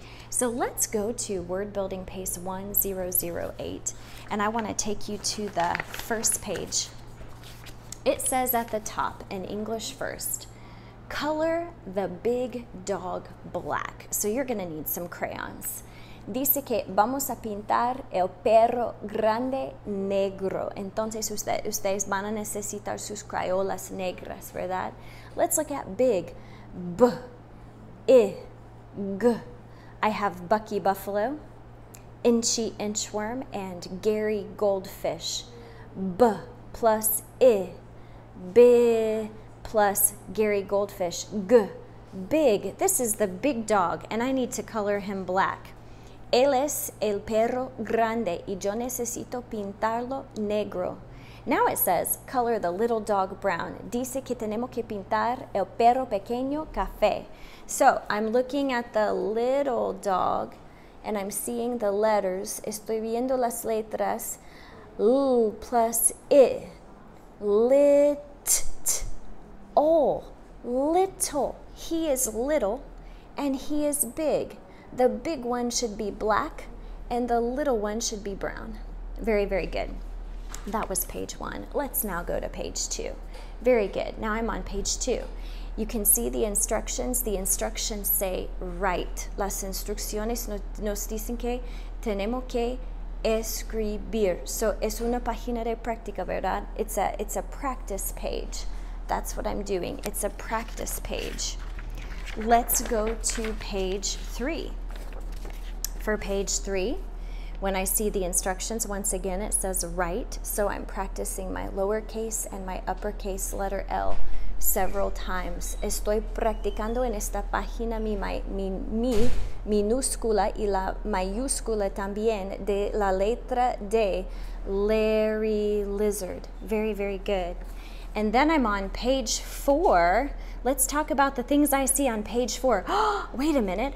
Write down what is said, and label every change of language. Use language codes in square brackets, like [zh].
[en] So let's go to word building pace 1008, and I want to take you to the first page. It says at the top in English first, color the big dog black. So you're going to need some crayons. [es] Dice que vamos a pintar el perro grande negro. Entonces ustedes van a necesitar sus crayolas negras, ¿verdad? [en] Let's look at big. B, I, G. I have Bucky Buffalo, Inchy Inchworm, and Gary Goldfish. B plus I, B plus Gary Goldfish. G, big. This is the big dog, and I need to color him black. [es] Él es el perro grande y yo necesito pintarlo negro. [en] Now it says, color the little dog brown. [es] Dice que tenemos que pintar el perro pequeño café. [en] So I'm looking at the little dog and I'm seeing the letters. [es] Estoy viendo las letras. [en] L plus I. Little. Little. He is little and he is big. The big one should be black and the little one should be brown. Very, very good. That was page one. Let's now go to page two. Very good. Now I'm on page two. You can see the instructions. The instructions say write. [es] Las instrucciones nos dicen que tenemos que escribir. [en] So [es] es una página de práctica, ¿verdad? [en] It's a practice page. That's what I'm doing. It's a practice page. Let's go to page three. For page three, when I see the instructions, once again, it says write. So I'm practicing my lowercase and my uppercase letter L several times. [es] Estoy practicando en esta página mi minúscula y la mayúscula también de la letra D, Larry Lizard. [en] Very, very good. And then I'm on page four. Let's talk about the things I see on page four. Wait a minute.